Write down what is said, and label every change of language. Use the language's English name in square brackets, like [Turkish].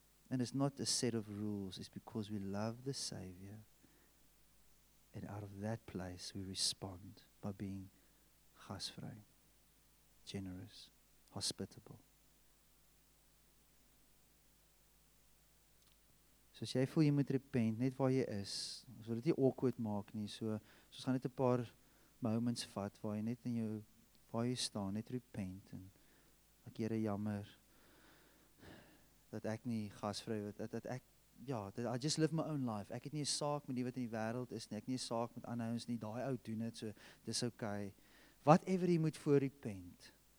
[English] And it's not a set of rules, it's because we love the Savior. And out of that place we respond by being gasvry, generous, hospitable. [Afrikaans] So as jy voel jy moet repent, net waar jy is, ons wil dit nie awkward maak nie, so ons gaan net 'n paar moments vat waar jy net in jou waar jy staan, net repent en ek Here jammer dat ek nie gasvry word, dat [English] I just live my own life. [Afrikaans] Ek het nie 'n saak met die wat in die wêreld is nie. Ek het nie 'n saak met ander ouens nie. Daai ou doen dit, so dis okay. Whatever jy moet voor repent.